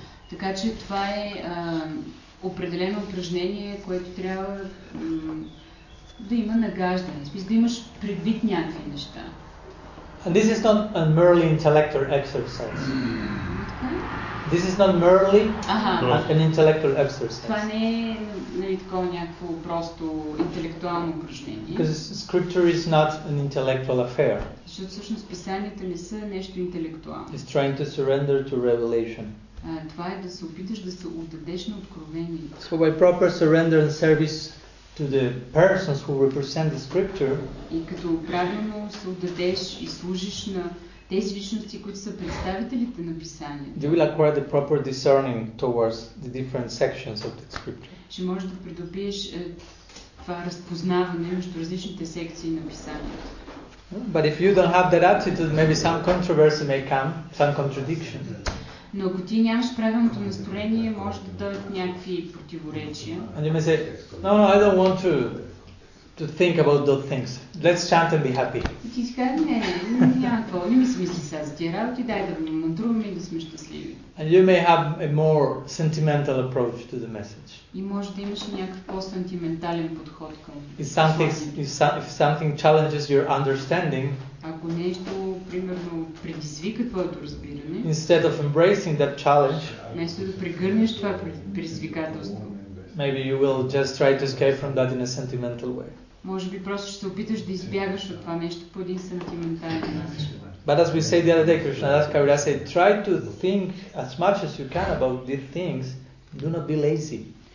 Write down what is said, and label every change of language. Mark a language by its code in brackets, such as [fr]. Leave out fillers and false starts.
[bg] Така че това е определено упражнение, което трябва да има нагаждане, в смисъл да имаш предвид някакви неща. [en] And this is not a merely intellectual exercise. This is not merely an intellectual exercise. [bg] Това не е такова някакво просто интелектуално упражнение. [en] Because scripture is not an intellectual affair. [bg] Защото всъщност писанията не са нещо интелектуално. [en] It's trying to surrender to revelation. [bg] Това е да се опиташ да се отдадеш на откровение. [en] So by proper surrender and service to the persons who represent the scripture. [bg] И като правилно се отдадеш и служиш на тези личности, които са представителите на писанието. [en] They will acquire the proper discerning towards the different sections of the scripture. [bg] Ще можеш да придобиеш това разпознаване между различните секции на писанието. [en] But if you don't have that attitude, maybe some controversy may come, some contradiction. [bg] Но ако ти нямаш правилното настроение, може да дойдат някакви противоречия. [en] And you may say, no, no, I don't want to think about those things. Let's chant and be happy. [bg] Ти си кажа, не, няма какво, не ми се мисли сега за тия работи, дай да мандруваме и да сме щастливи. [en] And you may have a more sentimental approach to the message. [bg] И може да имаш някакъв по-сентиментален подход към послание. [en] If something challenges your understanding, [bg] ако нещо, примерно, предизвика твоето разбиране, [en] instead of embracing that challenge, [bg] вместо да прегърнеш това предизвикателство, [en] maybe you will just try to escape from that in a sentimental way. [bg] Може би просто ще се опиташ да избягаш от това нещо по един сентиментален начин. [en] But as we say the other day, Krishna Das Kaviraj said, try to think as much as you can about these things, Do not be lazy.